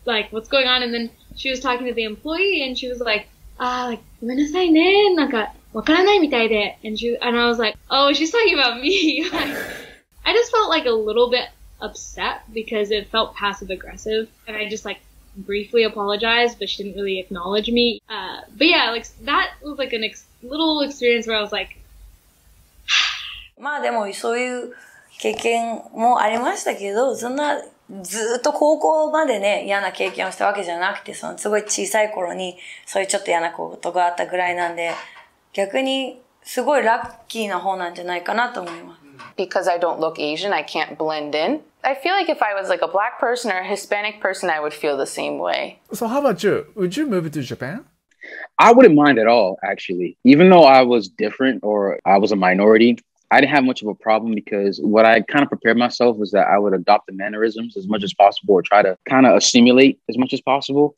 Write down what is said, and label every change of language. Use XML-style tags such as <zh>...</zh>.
<en>Like, what's going on? And then she was talking to the employee and she was like, and I was like, oh, she's talking about me. I just felt like a little bit upset because it felt passive aggressive. And I just like briefly apologized, but she didn't really acknowledge me. But yeah, like that was like an little experience where I was like</en> <ja>まあでもそういう経験もありましたけど、そんなずっと高校までね嫌な経験をしたわけじゃなくて、そのすごい小さい頃にそういうちょっと嫌なことがあったぐらいなんで、逆にすごいラッキーな方なんじゃないかなと思います。</ja> <en>Because I don't look Asian, I can't blend in. I feel like if I was like a black person or a Hispanic person, I would feel the same way. So how about you? Would you move to Japan? I wouldn't mind at all, actually. Even though I was different or I was a minority, I didn't have much of a problem because what I kind of prepared myself was that I would adopt the mannerisms as much as possible or try to kind of assimilate as much as possible.</en>